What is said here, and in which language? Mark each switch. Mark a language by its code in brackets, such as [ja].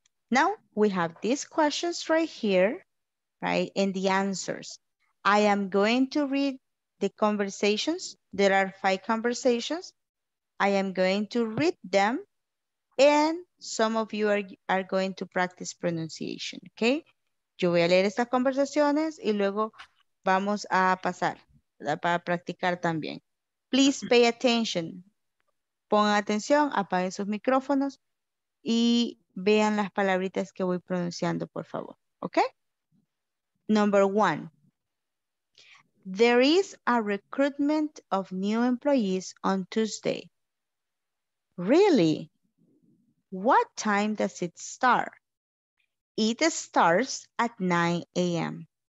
[en] Now we have these questions right here, right? And the answers. I am going to read the conversations. There are five conversations. I am going to read them. And some of you are going to practice pronunciation, okay? [es] Yo voy a leer estas conversaciones y luego vamos a pasar para practicar también. [en] Please pay attention. [es] Pongan atención, apaguen sus micrófonos y vean las palabritas que voy pronunciando, por favor, okay? [en] Number one. There is a recruitment of new employees on Tuesday. Really? What time does it start? It starts at 9 a.m.